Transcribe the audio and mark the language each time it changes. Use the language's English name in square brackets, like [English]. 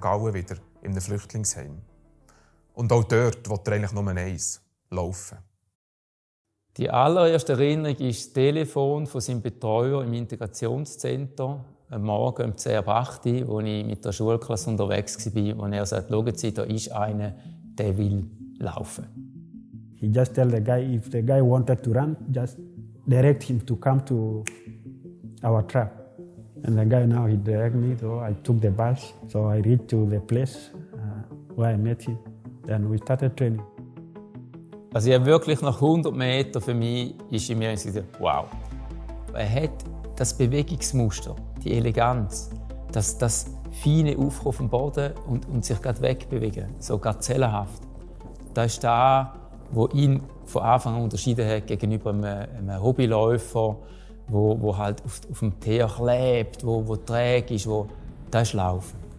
[German] Gallen wieder in einem Flüchtlingsheim. Und auch dort will er eigentlich nur eins laufen. Die allererste Erinnerung ist das Telefon von seinem Betreuer im Integrationszentrum. Am Morgen um 10 ab 8 Uhr, als ich mit der Schulklasse unterwegs war. Und er sagt, schauen Sie, da ist einer, der will laufen. [English] He just tell the guy, if the guy wanted to run, just direct him to come to our trap. And the guy now, he directed me, so I took the bus. So I reached to the place where I met him. And we started training. [German] Also ich habe wirklich nach 100 Metern für mich, ist in mir gesagt, wow. Er hat das Bewegungsmuster, die Eleganz, das feine Aufkommen vom Boden und sich gerade wegbewegen, so gazellenhaft. Das ist das, was ihn von Anfang an unterschieden hat gegenüber einem Hobbyläufer, wo halt auf dem Teer klebt, wo träge ist, das ist Laufen.